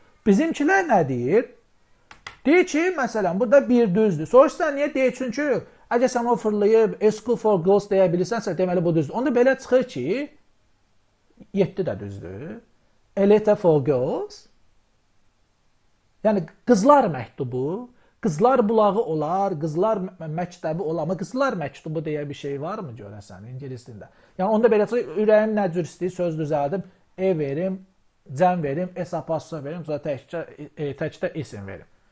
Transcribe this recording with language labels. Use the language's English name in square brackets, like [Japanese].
[Azerbaijani] Bizimkilər nə deyir? Deyir ki, məsələn, burada bir düzdür. Soruşsa, niyə deyir? Çünki, əgər sən o fırlayıb, [English] a school for girls [Azerbaijani] deyə bilirsənsə, deməli bu düzdür. Onda belə çıxır ki, 7 də düzdür. [English] A letter for girls. [Turkish] Yani kızlar mektubu, kızlar bulağı olar, kızlar mektebi olar. Ama kızlar mektubu diye bir şey var mı görürsen İngiliz dilinde? [Azerbaijani] Yani onda belə şey, ürəyin nə cür istəyir, söz düzəldim, e verim, cəm verim, e sapasso verim, sonra təkcə isim verim.